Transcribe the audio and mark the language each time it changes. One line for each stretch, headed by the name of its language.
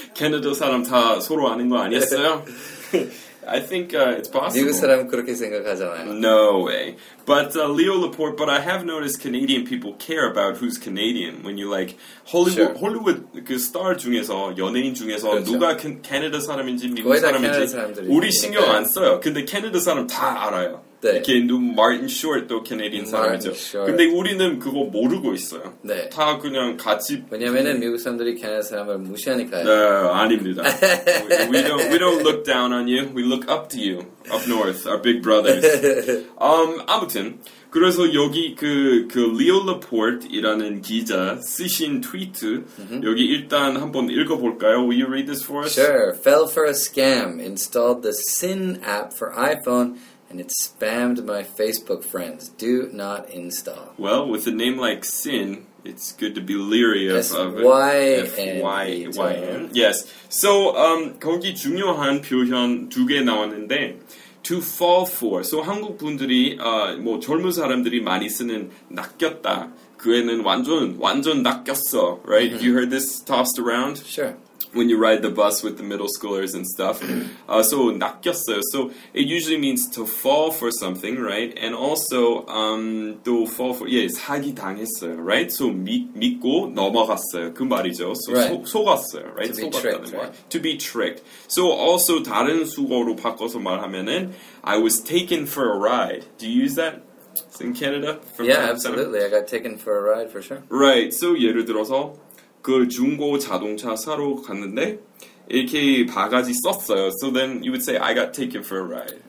Korean: 캐나다 사람 다 서로 아는 거 아니었어요?
English: I think it's possible.
Korean: 미국 사람 그렇게 생각하잖아요.
English: No way. But Leo Laporte, but I have noticed Canadian people care about who's Canadian. When you like, Hollywood,
Korean: Hollywood 그 star 중에서, 연예인 중에서 그렇죠. 누가 캐나다 사람인지 미국 사람인지 우리 신경 안 써요. 근데 캐나다 사람 다 알아요. 네. 이렇게 마틴 숏도 캐나디언 사람이죠. 근데 우리는 그거 모르고 있어요. 네. 다 그냥 같이 왜냐면은 미국 사람들이 캐나다 사람을 무시하니까요. 네, 아닙니다.
English: we don't look down on you. We look up to you. Up north, our big brothers.
Korean: 아무튼 그래서 여기 그 리오 라포르트이라는 기자 쓰신 트위트 여기 일단 한번 읽어볼까요?
English: Will you read this for us? Sure. Fell for a scam. Installed the Sin app for iPhone. And it spammed my Facebook friends. Do not install. Well, with a name like Sin, it's good to be leery of S-Y-N. F-Y-N. Yes. So,
Korean: 거기 중요한 표현 두 개 나왔는데,
English: to fall for.
Korean: So, 한국 분들이, 뭐 젊은 사람들이 많이 쓰는 낚였다. 그 애는 완전 낚였어.
English: Right? Mm-hmm. Have you heard this tossed around? Sure. when you ride the bus with the middle schoolers and stuff. So
Korean: 낚였어요.
English: So it usually means to fall for something, right? And also,
Korean: 또
English: fall for,
Korean: 예, 사기 당했어요,
English: right?
Korean: So 믿고 넘어갔어요. 그 말이죠.
English: So right.
Korean: 속았어요,
English: right? To be
Korean: 속았다는
English: tricked, 말. Right? To be tricked. So also
Korean: 다른 수거로 바꿔서 말하면은,
English: I was taken for a ride. Do you use that? It's in Canada? From yeah, absolutely. I got taken for a ride for sure. Right.
Korean: So 예를 들어서, 그 중고 자동차 사러 갔는데 이렇게 바가지 썼어요.
English: So then you would say I got taken for a ride.